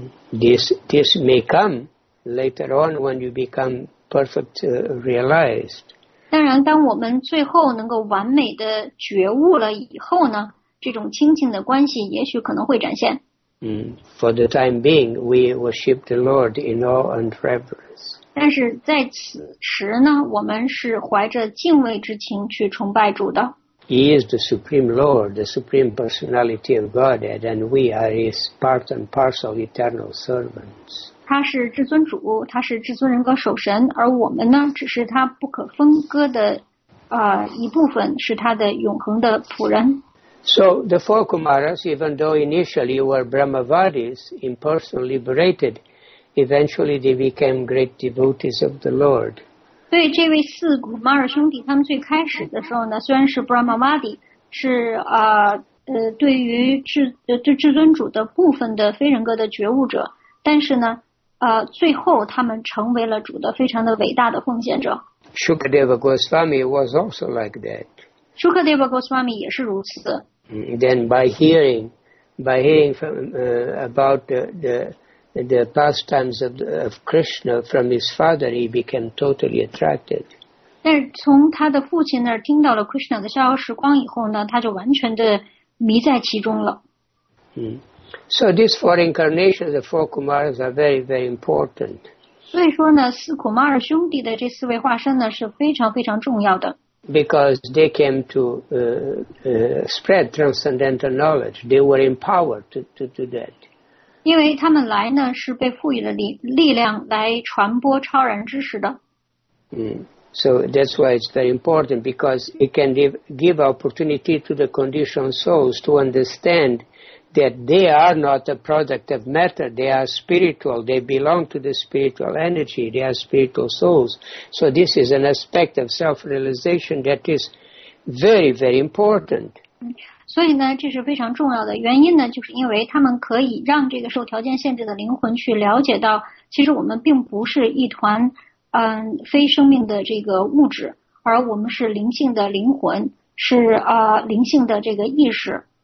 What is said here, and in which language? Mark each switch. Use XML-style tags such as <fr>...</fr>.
<en>This may come later on when you become perfect realized.</en> <zh>当然，当我们最后能够完美的觉悟了以后呢，这种清净的关系也许可能会展现。</zh> <en>For the time being, we worship the Lord in awe and reverence.</en> <zh>但是在此时呢，我们是怀着敬畏之情去崇拜主的。</zh> <en>He is the Supreme Lord, the Supreme Personality of Godhead, and we are his part and parcel eternal servants.</en> <zh>他是至尊主，他是至尊人格守神，而我们呢，只是他不可分割的一部分，是他的永恒的仆人。</zh> <en>So the four Kumaras, even though initially were Brahmavadis, impersonal liberated, eventually they became great devotees of the Lord.</en> <zh>对这位四古马尔兄弟，他们最开始的时候呢，虽然是 Brahmavadi， 是对于至尊主的部分的非人格的觉悟者，但是呢，最后他们成为了主的非常的伟大的奉献者。</zh> <en>Shukadeva Goswami was also like that.</en> <zh>Shukadeva Goswami 也是如此。</zh> <en>Then by hearing from about the pastimes of Krishna from his father, he became totally attracted.</en> <zh>但是从他的父亲那儿听到了 Krishna 的逍遥时光以后呢，他就完全的迷在其中了。</zh> <en>So these four incarnations, the four Kumaras, are very, very important.</en> <zh>所以说呢，四库马尔兄弟的这四位化身呢是非常非常重要的。</zh> <en>Because they came to spread transcendental knowledge. They were empowered to do that.</en> <zh>因为他们来呢是被赋予了力量来传播超然知识的。</zh> <en>So that's why it's very important, because it can give opportunity to the conditioned souls to understand that they are not a product of matter, they are spiritual, they belong to the spiritual energy, they are spiritual souls. So this is an aspect of self-realization that is very, very important.</en> <zh>所以呢，这是非常重要的原因呢，就是因为他们可以让这个受条件限制的灵魂去了解到，其实我们并不是一团非生命的这个物质，而我们是灵性的灵魂，是灵性的这个意识。</zh>